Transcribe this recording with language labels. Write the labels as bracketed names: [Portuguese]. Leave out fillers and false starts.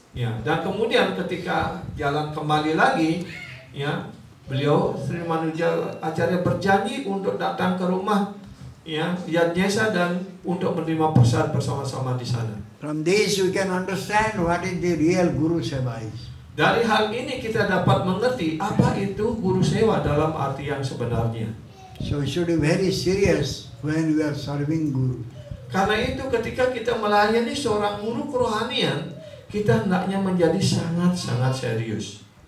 [Indonesian] Ya, dan kemudian ketika jalan kembali lagi, ya, beliau Sri Ramanuja Acharya berjanji untuk datang ke rumah Yajnesa dan untuk menerima persadam bersama-sama di sana. [English] From this we can understand what is the real guru seva is. [Indonesian] Dari hal ini kita dapat mengerti apa itu guru seva dalam arti yang sebenarnya. [English] So we should be very serious when we are serving guru. [Indonesian] Karena itu ketika kita melayani seorang guru kerohanian, kita hendaknya menjadi sangat-sangat serius.